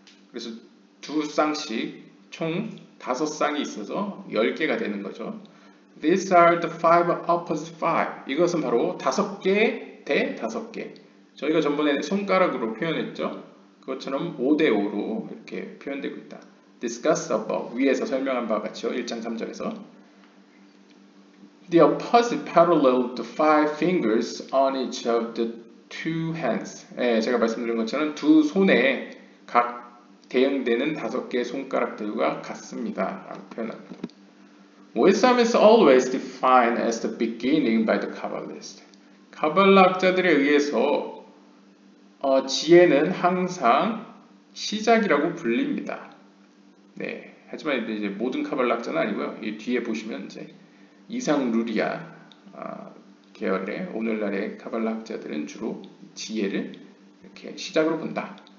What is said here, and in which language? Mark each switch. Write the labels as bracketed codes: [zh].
[ko] 그래서 두 쌍씩 총 다섯 쌍이 있어서 10개가 되는 거죠. [en] These are the five opposite five. 이것은 바로 5개 대 5개. [ko] 저희가 전번에 손가락으로 표현했죠? 그것처럼 5대 5로 이렇게 표현되고 있다. Discuss above, 위에서 설명한 바와 같이요. [en] 1장 3절에서 The opposite parallel to five fingers on each of the two hands. [ko] 예, 제가 말씀드린 것처럼 두 손에 각 대응되는 다섯 개의 손가락들과 같습니다. 라고 표현합니다. [en] Wisdom is always defined as the beginning by the Kabbalist. [ko] 카발라 학자들에 의해서 지혜는 항상 시작이라고 불립니다. 네, 하지만 이제 모든 카발라 학자는 아니고요. 이 뒤에 보시면 이제 이상 루리아 계열의 오늘날의 카발라 학자들은 주로 지혜를 이렇게 시작으로 본다.